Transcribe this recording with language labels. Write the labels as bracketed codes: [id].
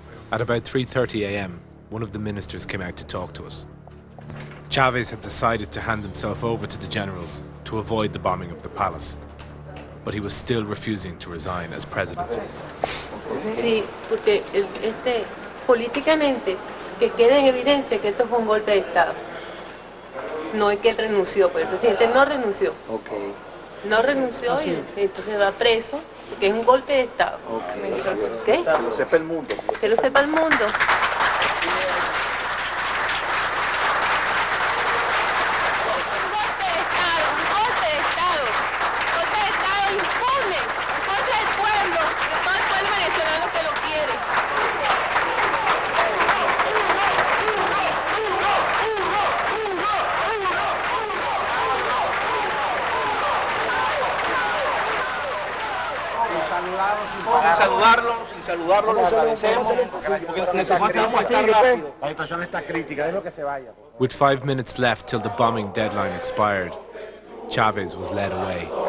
[en] At about 3:30 a.m., one of the ministers came out to talk to us. Chavez had decided to hand himself over to the generals to avoid the bombing of the palace, but he was still refusing to resign as president. [es] Sí, porque políticamente que quede en evidencia que esto fue un golpe de estado. No es que él renunció, pues el presidente no renunció. Okay. No renunció y entonces va preso. Que es un golpe de Estado. Okay. ¿Qué? Que lo sepa el mundo. Que lo sepa el mundo. Gracias. sin saludarlo, lo agradecemos, porque necesitamos estar rápido. La situación está crítica, es lo que se vaya. [en] With 5 minutes left till the bombing deadline expired, Chávez was led away.